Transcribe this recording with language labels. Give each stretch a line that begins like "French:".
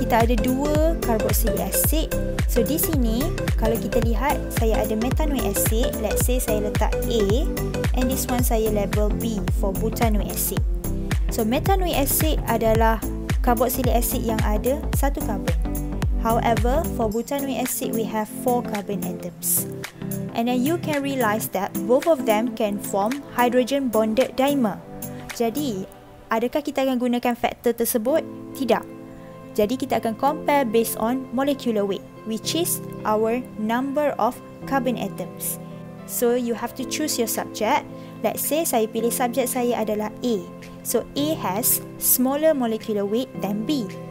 Malay: Kita ada 2 carboxylic acid. So di sini kalau kita lihat, saya ada methanoic acid.
English: Let's say
Malay: saya letak A,
English: and this one saya label B for butanoic acid.
Malay: So methanoic acid adalah carboxylic acid yang ada 1 carbon.
English: However, for butanoic acid we have 4 carbon atoms. And then you can realize that both of them can form hydrogen bonded dimer.
Malay: Jadi, adakah kita akan gunakan faktor tersebut? Tidak. Jadi kita akan
English: compare based on molecular weight, which is our number of carbon atoms. So you have to choose your subject. Let's say
Malay: saya pilih subjek saya adalah A.
English: So A has smaller molecular weight than B.